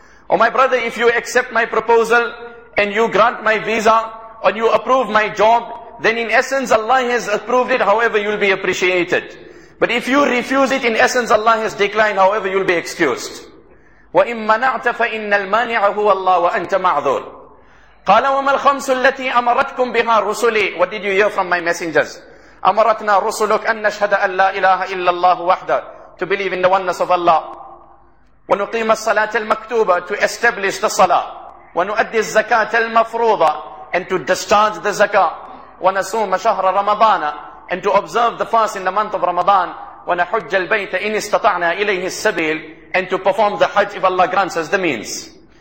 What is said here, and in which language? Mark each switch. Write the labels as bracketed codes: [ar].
[en] O my brother, if you accept my proposal and you grant my visa or you approve my job, then in essence Allah has approved it, however you'll be appreciated. But if you refuse it, in essence Allah has declined, however you'll be excused. [ar] وَإِنْ مَنَعْتَ فَإِنَّ الْمَانِعَ هُوَ اللَّهُ وَأَنْتَ مَعْذُورٌ. قَالَ وَمَا الْخَمْسُ الَّتِي أَمَرَتْكُمْ بِهَا رُسُلِي. [en] What did you hear from my messengers? [ar] أَمَرَتْنَا رُسُلُكَ أَنْ نَشْهَدَ أَنْ لَا إِلَهَ إِلَّا اللَّهُ وَحْدَهُ, [en] to believe in the oneness of Allah. [ar] وَنُقِيمَ الصَّلَاةَ الْمَكْتُوبَةَ, [en] to establish the salah. [ar] وَنُؤَدِّي الزَّكَاةَ الْمَفْرُوضَةَ, [en] and to discharge the zakah. [ar] وَنَصُومَ شَهْرَ رَمَضَانَ, [en] and to observe the fast in the month of Ramadan. [ar] وَنَحُجَّ الْبَيْتَ إِنِ اسْتَطَعْنَا إِلَيْهِ السَّبِيلِ, [en] and to perform the hajj if Allah grants us the means.